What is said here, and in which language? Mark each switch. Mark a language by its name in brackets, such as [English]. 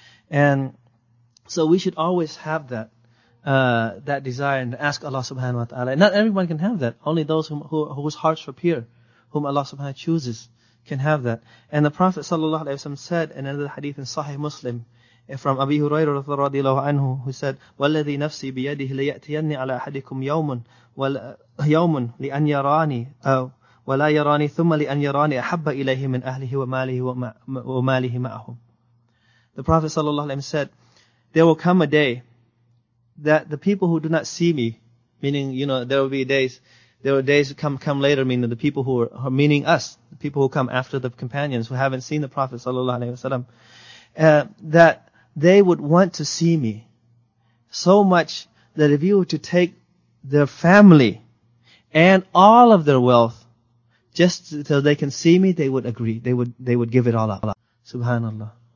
[English] And so we should always have that desire and ask Allah subhanahu wa ta'ala. Not everyone can have that. Only those whose hearts are pure, whom Allah subhanahu wa ta'ala chooses, can have that. And the Prophet sallallahu alaihi wasallam said in another hadith in Sahih Muslim, from Abi Hurairah radiyallahu anhu, who said, [Arabic] وَالَّذِي نَفْسِي بِيَدِهِ لَيَأْتِيَنِّي عَلَىٰ أَحَدِكُمْ يَوْمٌ لِأَنْ يَرَانِي وَلَا يَرَانِي ثُمَّ لِأَنْ يَرَانِي أَحَبَّ إِلَيْهِ مِنْ أَهْلِهِ وَمَالِهِ مَعَهُمْ. [English] The Prophet sallallahu alayhi wa sallam said, there will come a day that the people who do not see me, meaning, you know, there will be days come later, meaning the people who are, meaning us, the people who come after the companions who haven't seen the Prophet sallallahu alayhi wa sallam, that they would want to see me so much that if you were to take their family and all of their wealth just so they can see me, they would agree. They would give it all up. Subhanallah.